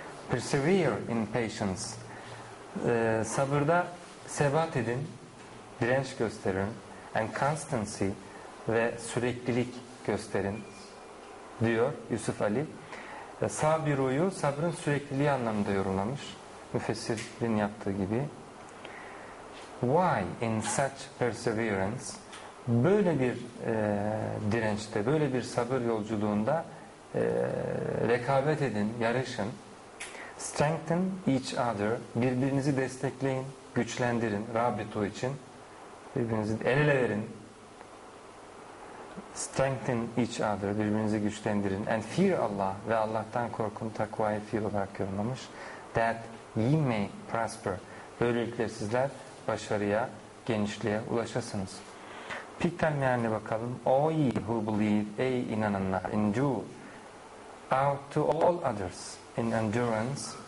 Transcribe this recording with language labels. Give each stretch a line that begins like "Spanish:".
English: Persevere in patience.
Turkish: Sabırda sebat edin, direnç gösterin.
English: And constancy,
Turkish: ve süreklilik gösterin diyor Yusuf Ali. Sabiru'yu sabrın sürekliliği anlamında yorumlamış. Müfessirin yaptığı gibi.
English: Why in such perseverance?
Turkish: Böyle bir dirençte, böyle bir sabır yolculuğunda rekabet edin, yarışın.
English: Strengthen each other.
Turkish: Birbirinizi destekleyin, güçlendirin. Rabitu için. Birbirinizi el ele verin.
English: Strengthen each other.
Turkish: Birbirinizi güçlendirin.
English: And fear Allah.
Turkish: Ve Allah'tan korkun. Takvayı fear olarak yorumlamış.
English: That ye may prosper.
Turkish: Böylelikle sizler başarıya, genişliğe ulaşasınız. Pikten mealine bakalım.
English: O ye who believe,
Turkish: ey inananlar,
English: endure out to all others in endurance.